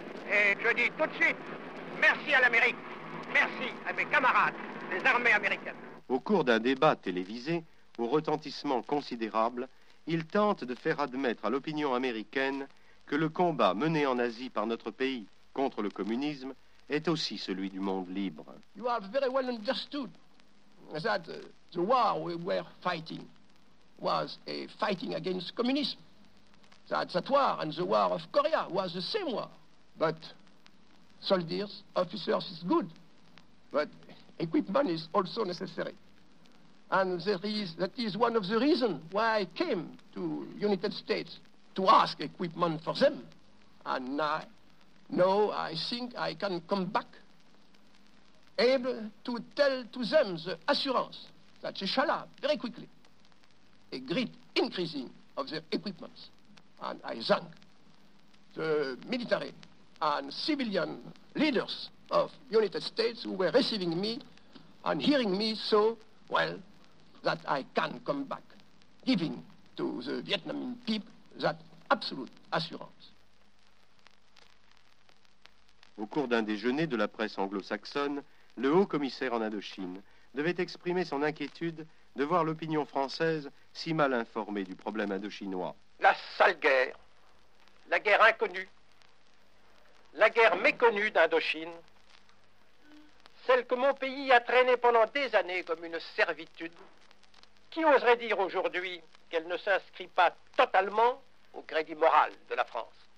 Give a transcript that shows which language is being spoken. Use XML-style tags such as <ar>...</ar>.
<fr>Et je dis tout de suite merci à l'Amérique, merci à mes camarades des armées américaines. Au cours d'un débat télévisé, au retentissement considérable, il tente de faire admettre à l'opinion américaine que le combat mené en Asie par notre pays contre le communisme est aussi celui du monde libre.</fr> <en>You have very well understood that the war we were fighting was a fighting against communism. That war and the war of Korea was the same war. But soldiers, officers is good, but equipment is also necessary. And that is one of the reasons why I came to the United States to ask equipment for them. And now I think I can come back able to tell to them the assurance that inshallah, very quickly, a great increasing of their equipment. And I thank the military and civilian leaders of the United States who were receiving me and hearing me so well, that I can come back, giving to the Vietnamese people that absolute assurance.</en> <fr>Au cours d'un déjeuner de la presse anglo-saxonne, le haut commissaire en Indochine devait exprimer son inquiétude de voir l'opinion française si mal informée du problème indochinois. La sale guerre, la guerre inconnue, la guerre méconnue d'Indochine, celle que mon pays a traînée pendant des années comme une servitude, qui oserait dire aujourd'hui qu'elle ne s'inscrit pas totalement au crédit moral de la France?</fr>